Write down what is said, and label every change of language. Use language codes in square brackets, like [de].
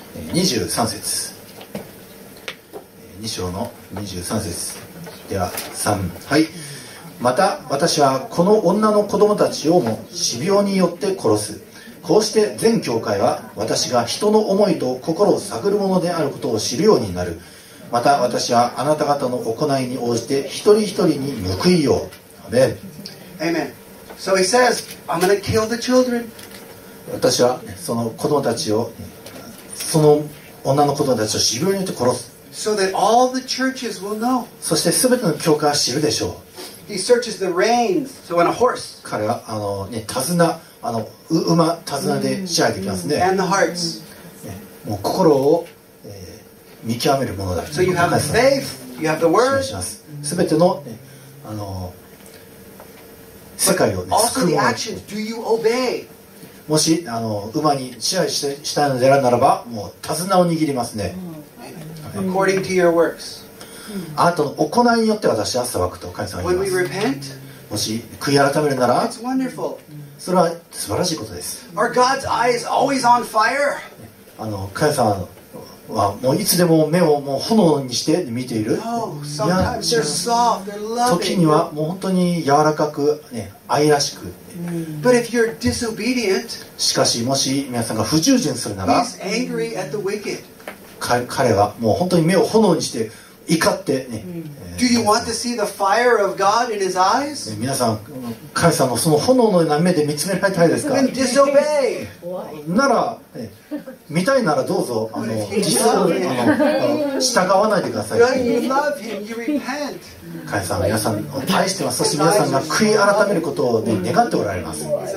[ja] 23節2章の23節では3、はい、また私はこの女の子供たちをも死病によって殺すこうして全教会は私が人の思いと心を探るものであることを知るようになるまた私はあなた方の行いに応じて一人一人に報いようアメン [en] Amen. So he says, I'm gonna kill the children. [ja] 私はその子供たちをその女の子供たちを知るようによって殺す [en] So that all the churches will know. [ja] そして全ての教会は知るでしょう [en] He searches the reins, so on a horse. [ja] 彼はね、手綱馬手綱で仕上げてきますね、 [en] And the hearts. [ja] もう心を、見極めるものだ。 [en] So you have the faith, you have the word. [ja] すべての、ね、あの世界を、ね、救うもの。 [en] Also the actions. Do you obey? [ja] もしあの馬に支配 したいのであるならば、もう手綱を握りますね。 [en] According to your works. [ja] あなたの行いによって私は裁くと神様は言います。 [en] When we repent, [ja] もし悔い改めるなら、 [en] it's wonderful. [ja] それは素晴らしいことです。 [en] Our God's eye is always on fire. [ja] あの神様はもういつでも目をもう炎にして見ている。 [en] Oh, sometimes they're soft, they're loving. [ja] 時にはもう本当に柔らかく、ね、愛らしく。 [en] But if you're disobedient, [ja] しかしもし皆さんが不従順するなら、 [en] he's angry at the wicked. [ja] 彼はもう本当に目を炎にして怒ってね。 [en] Do you want to see the fire of God in his eyes? [ja] 皆さん、神様のその炎のような目で見つめられたいですか？ [en] Then disobey. [ja] なら、見たいならどうぞ、あの、従わないでください。 [en] But you love him, you repent. [ja] 神様は皆さんを愛しています。そして皆さんが悔い改めることを、ね、願っておられます。